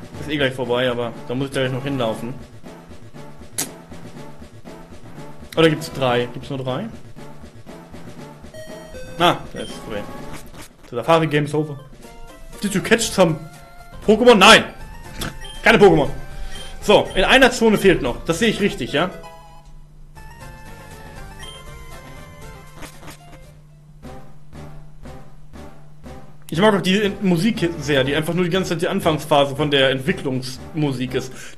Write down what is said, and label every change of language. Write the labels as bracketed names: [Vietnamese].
[German] eh gleich vorbei, aber da muss ich gleich noch hinlaufen. Oder gibt's drei? Gibt's nur drei? Na, ah, das ist vorbei. So, der Fahrrad Game ist over. [English] Did you catch some Pokémon? [German] Nein! Keine Pokémon! So, in einer Zone fehlt noch. Das sehe ich richtig, ja? Ich mag auch die Musik sehr, die einfach nur die ganze Zeit die Anfangsphase von der Entwicklungsmusik ist.